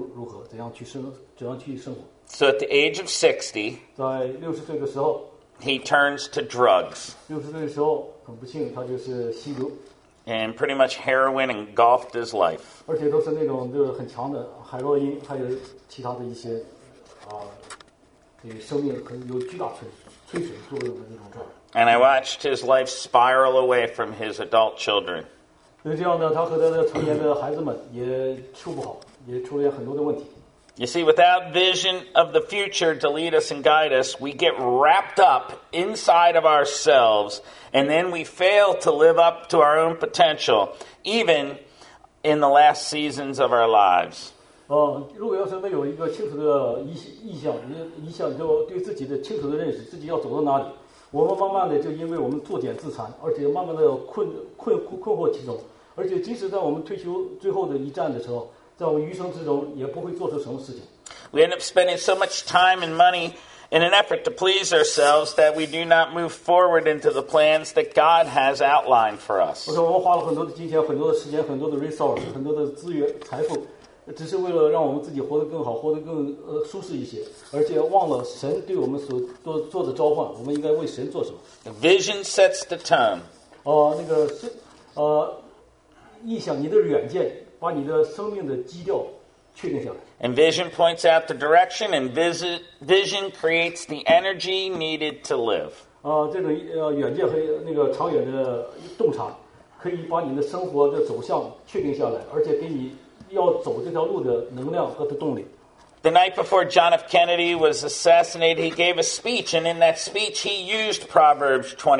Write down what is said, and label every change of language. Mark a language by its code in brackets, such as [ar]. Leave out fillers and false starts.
[zh] 所以既然有钱，但是他对他的生命茫然所措，不知前途如何，怎样去生活。 [en] So at the age of 60, [zh] 在60岁的时候， [en] he turns to drugs. [zh] 60岁的时候，很不幸，他就是吸毒。 [en] And pretty much heroin engulfed his life. [zh] 而且都是那种就是很强的海洛因，还有其他的一些。 [en] And I watched his life spiral away from his adult children. You see, without vision of the future to lead us and guide us, we get wrapped up inside of ourselves, and then we fail to live up to our own potential, even in the last seasons of our lives. [zh] 如果要是没有一个清楚的意向，你对自己的清楚的认识，自己要走到哪里，我们慢慢的就因为我们作茧自残，而且慢慢的困惑其中。而且即使在我们退休最后的一站的时候，在我们余生之中也不会做出什么事情。 [en] We end up spending so much time and money in an effort to please ourselves that we do not move forward into the plans that God has outlined for us. [zh] 我说我们花了很多的金钱、很多的时间、很多的 resource、很多的资源、财富，只是为了让我们自己活得更好、活得更舒适一些，而且忘了神对我们所做的召唤，我们应该为神做什么。 [en] The vision sets the tone. [zh] 臆想你的远见，把你的生命的基调确定下来。 [en] And vision points out the direction, and vision creates the energy needed to live. [zh] 这种远见和那个长远的洞察，可以把你的生活的走向确定下来，而且给你要走这条路的能量和的动力。 [en] The night before John F. Kennedy was assassinated, he gave a speech, and in that speech, he used Proverbs